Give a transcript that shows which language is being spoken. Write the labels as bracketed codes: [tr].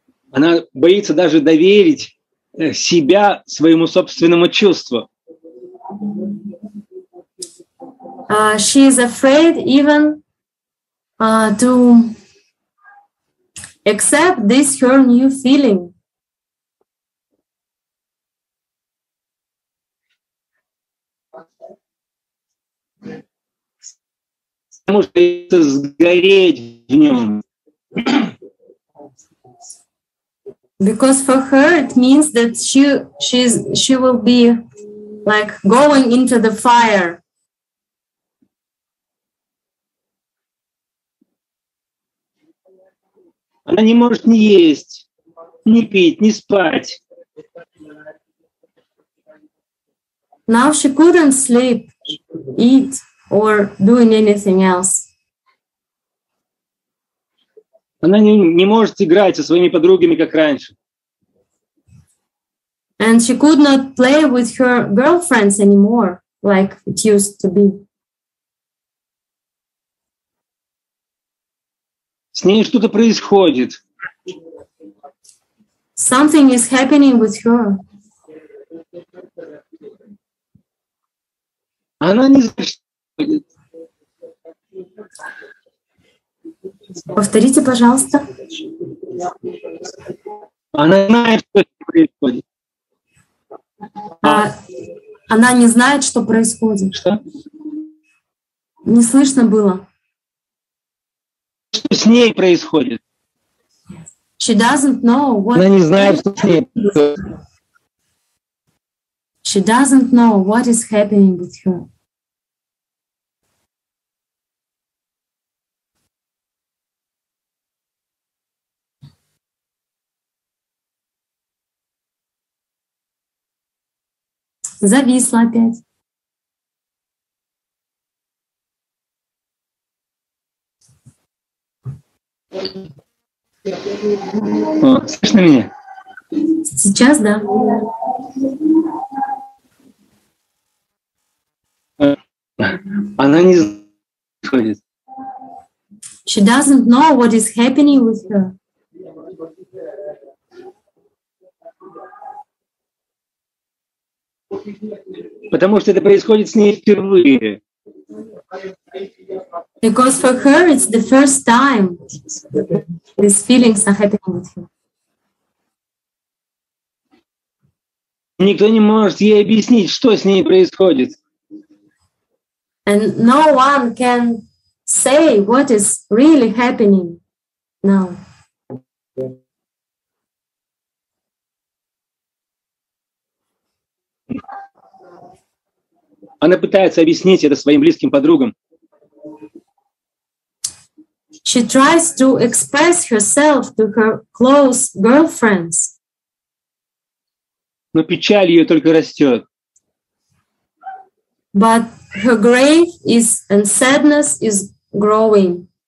[ru] Она боится даже доверить себя своему собственному чувству. [en] She is afraid even to accept this her new feeling. [ru] Потому что это сгореть в нем. [en] Because for her it means that she will be like going into the fire. [ru] Она не может ни есть, ни пить, ни спать. [en] Now she couldn't sleep, eat. Or doing anything else. [ru] Она не может играть со своими подругами, как раньше. [en] And she could not play with her girlfriends anymore, like it used to be. [ru] С ней что-то происходит. [en] Something is happening with her. [ru] Она не... Повторите, пожалуйста. Она знает, что происходит. Она не знает, что происходит. Что? Не слышно было. Что с ней происходит? [en] She doesn't know what. [ru] Она не знает, что с ней происходит. [en] She doesn't know what is happening with her. [ru] Зависла опять. О, слышно меня? Сейчас, да. Она не знает, что происходит. [en] She doesn't know what is happening with her. [ru] Потому что это происходит с ней впервые. [en] Because for her it's the first time these feelings are happening with her. [ru] Никто не может ей объяснить, что с ней происходит. [en] And no one can say what is really happening now. [ru] Она пытается объяснить это своим близким подругам. [en] She tries to express herself to her close girlfriends. [ru] Но печаль ее только растет. [en] But her grief is and sadness is growing.